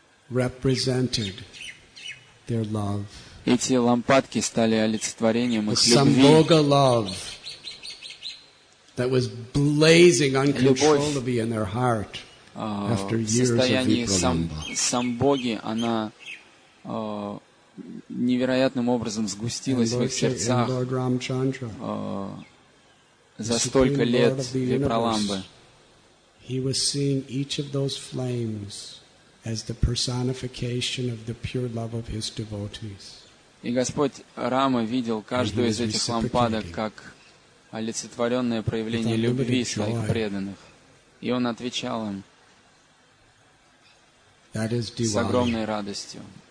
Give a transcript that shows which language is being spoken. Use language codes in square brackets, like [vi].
[ru] представляли их любовь. Эти лампадки стали олицетворением их любви. [en] Love that was blazing uncontrollably in their heart after years of [ru] самбоги, она невероятным образом сгустилась [en] Lord, [ru] в их сердцах [en] Chandra, [ru] за столько лет Випраламбы. [en] He was seeing each of those flames as the personification of the pure love of his devotees. [ru] И Господь Рама видел каждую из этих лампадок как олицетворенное проявление любви своих преданных. И Он отвечал им с огромной радостью.